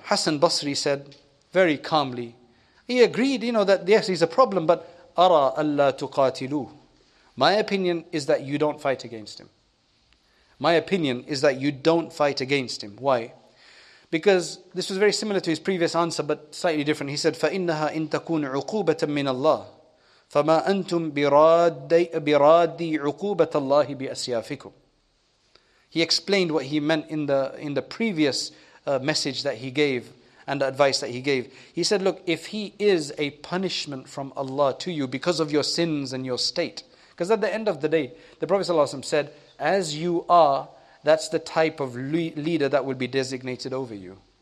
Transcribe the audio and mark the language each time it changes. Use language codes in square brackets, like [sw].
[en] Hassan Basri said, very calmly, he agreed, you know, that yes, he's a problem, but [ar] أَرَى أَلَّا تُقَاتِلُوهُ, [en] my opinion is that you don't fight against him. My opinion is that you don't fight against him. Why? Because this was very similar to his previous answer, but slightly different. He said, [ar] فَإِنَّهَا إِنْ تَكُونَ عُقُوبَةً مِنَ اللَّهِ فَمَا أَنْتُمْ بِرَادِّي عُقُوبَةَ اللَّهِ بِأَسْيَافِكُمْ. [en] He explained what he meant in the previous message that he gave and the advice that he gave. He said, look, if he is a punishment from Allah to you because of your sins and your state, because at the end of the day, the Prophet ﷺ said, as you are, that's the type of leader that will be designated over you.